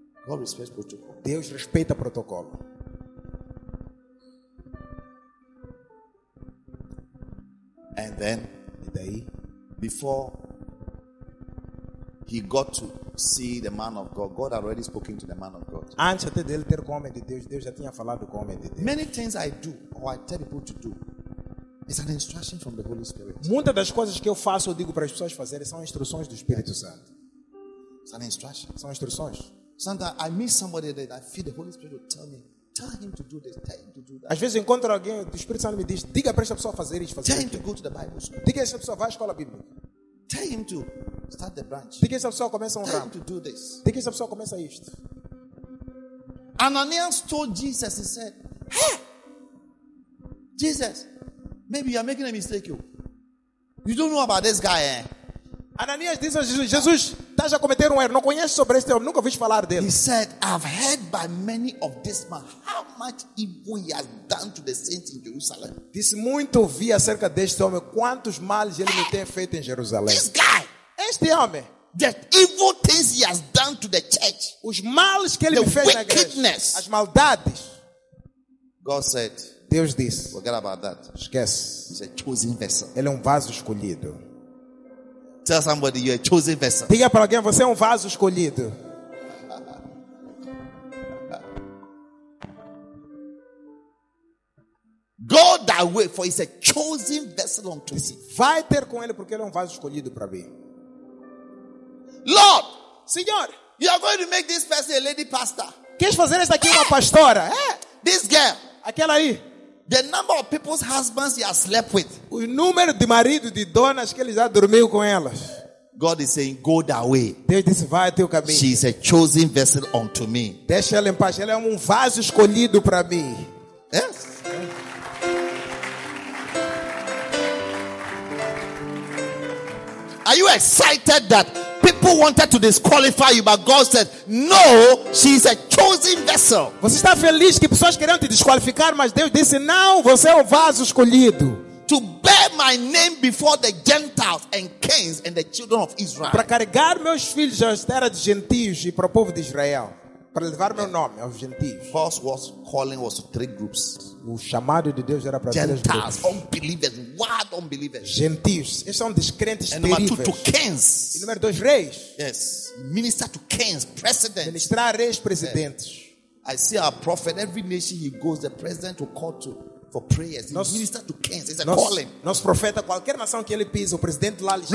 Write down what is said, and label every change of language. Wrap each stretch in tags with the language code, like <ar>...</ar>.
<en>God respects protocol.</en> <pt>Deus respeita protocolo.</pt> <en>And then,</en> <pt>e daí,</pt> <en>before he got to see the man of God, God had already spoken to the man of God.</en> <pt>Antes até dele ter com o homem de Deus, Deus já tinha falado com o homem de Deus.</pt> <en>Many things I do or I tell people to do is an instruction from the Holy Spirit.</en> <pt>Muitas das coisas que eu faço ou digo para as pessoas fazerem são instruções do Espírito Santo.</pt> <en>It's an instruction.</en> <pt>São instruções.</pt> <en>Sometimes I meet somebody that I feel the Holy Spirit will tell me. Tell him to do this. Tell him to do that.</en> <pt>Às vezes encontro alguém, o Espírito Santo me diz, diga para essa pessoa fazer isso, fazer</pt> <en>tell him to go to the Bible school.</en> <pt>Diga a essa pessoa, vai à escola bíblica.</pt> <en>Tell him to start the branch.</en> <pt>Diga a essa pessoa, começa</pt> <en>tell</en> <pt>ramo.</pt> <en>Him to do this.</en> <pt>Diga a essa pessoa, começa isto.</pt> <en>Ananias told Jesus, he said, hey, Jesus, maybe you are making a mistake. You don't know about this guy, eh?</en> <pt>Ananias disse a Jesus, Jesus, estás a cometer erro, não conheces sobre este homem, nunca ouviste falar dele.</pt> <en>He said, I've heard by many of this man how much evil he has done to the saints in Jerusalem.</en> <pt>Disse, muito ouvi acerca deste homem, quantos males ele me tem feito em Jerusalém.</pt> <en>This guy,</en> <pt>este homem,</pt> <en>the evil things he has done to the church,</en> <pt>os males que ele me fez na igreja, as maldades.</pt> <en>God said,</en> <pt>Deus disse,</pt> <en>forget about that.</en> <pt>Esquece.</pt> <en>He's a chosen vessel.</en> <pt>Ele é vaso escolhido.</pt> <en>Tell somebody you're a chosen vessel.</en> <pt>Diga para alguém, você é vaso escolhido.</pt> <en>Go that way, for he's a chosen vessel unto me.</en> <pt>Vai ter com ele, porque ele é vaso escolhido para mim.</pt> <en>Lord,</en> <pt>Senhor,</pt> <en>you are going to make this person a lady pastor.</en> <pt>Queres fazer esta aqui uma pastora?</pt> <en>This girl,</en> <pt>aquela aí.</pt> <en>The number of people's husbands he has slept with.</en> <pt>O número de marido de donas que ele já dormiu com elas.</pt> <en>God is saying, go that way.</en> <pt>Deus disse, vai teu caminho.</pt> <en>She is a chosen vessel unto me.</en> <pt>Deixa ela em paz. Ela é vaso escolhido para mim.</pt> <en>Yes. Are you excited that people wanted to disqualify you, but God said, no, she is a chosen vessel.</en> <pt>Você está feliz que pessoas queriam te desqualificar, mas Deus disse, não, você é vaso escolhido.</pt> <en>To bear my name before the Gentiles and kings and the children of Israel.</en> <pt>Para carregar meus filhos à terra de gentios e para o povo de Israel. Para levar meu nome aos gentios.</pt> <en>First was calling was to three groups.</en> <pt>O chamado de Deus era para</pt> <en>Gentiles,</en> <pt>três grupos.</pt> <en>Gentiles, unbelievers, wild unbelievers.</en> <pt>Gentios, eles são descrentes terríveis.</pt> <en>And number two, to kings.</en> <pt>E número dois, reis.</pt> <en>Yes, minister to kings, presidents.</en> <pt>Ministrar reis, presidentes.</pt> <en>Yes. I see our prophet, every nation he goes, the president will call to for prayers.</en> <pt>Nosso,</pt> <en>minister to kings, it's a calling.</en> <pt>Nosso profeta, qualquer nação que ele pisa, o presidente lá lhe chama.</pt>